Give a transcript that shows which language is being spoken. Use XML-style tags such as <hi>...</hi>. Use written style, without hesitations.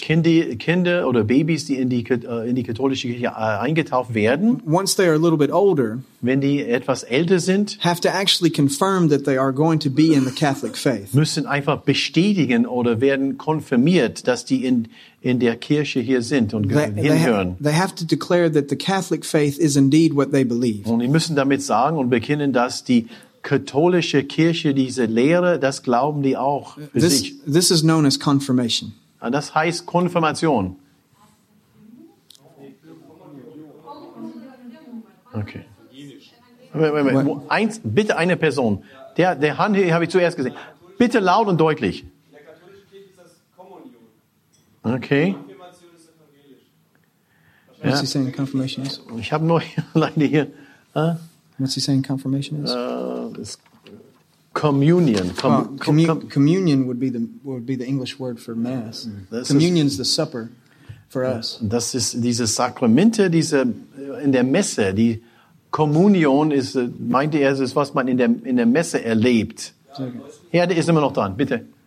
<de>Kinder oder Babys, die in die katholische Kirche eingetauft werden.</de> <en>Once they are a little bit older.</en> <de>Wenn die etwas älter sind.</de> <en>Have to actually confirm that they are going to be in the Catholic faith.</en> <de>Müssen einfach bestätigen oder werden konfirmiert, dass die in der Kirche hier sind und hinhören.</de> <en>They have to declare that the Catholic faith is indeed what they believe.</en> <de>Und die müssen damit sagen und bekennen, dass die katholische Kirche, diese Lehre, das glauben die auch für</de> <en>this,</en> <de>sich.</de> <en>This is known as confirmation.</en> <de>Das heißt Konfirmation.</de> <en>Okay. Wait.</en> <de>Eins, bitte eine Person. Der Hand hier habe ich zuerst gesehen. Bitte laut und deutlich. In der katholischen Kirche ist das Kommunion. Okay. Konfirmation ist evangelisch.</de> <en>What's he saying, confirmation is?</en> <de>Ich habe nur leider hier...</de> <en>What's he saying confirmation is? Communion. Communion would be the English word for mass. Communion is the supper for us.</en> <de>Das ist diese Sakramente, diese in der Messe. Die Kommunion ist, meinte er, ist was man in der Messe erlebt. Ja, Herr, der ist immer noch dran, bitte.</de>